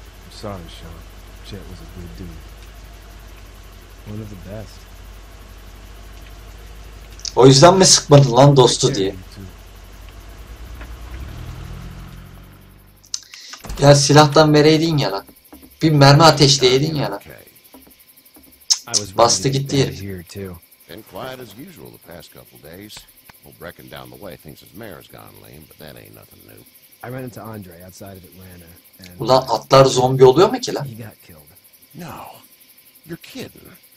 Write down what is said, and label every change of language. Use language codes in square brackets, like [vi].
[en] Sorry, Sean. Chet was a good dude. One of the best. [tr] O yüzden mi sıkmadı lan dostu diye. Ya silahtan vereydin ya lan. Bir mermi ateşleyeydin ya lan. Cık, bastı gitti yerim. [en] Quiet as usual the past couple days. Well, Brecken down the way thinks his mare's gone lame, but that ain't nothing new. I ran into Andre outside of Atlanta. [tr] Ulan atlar zombi oluyor mu ki lan? [en] No. You're kidding.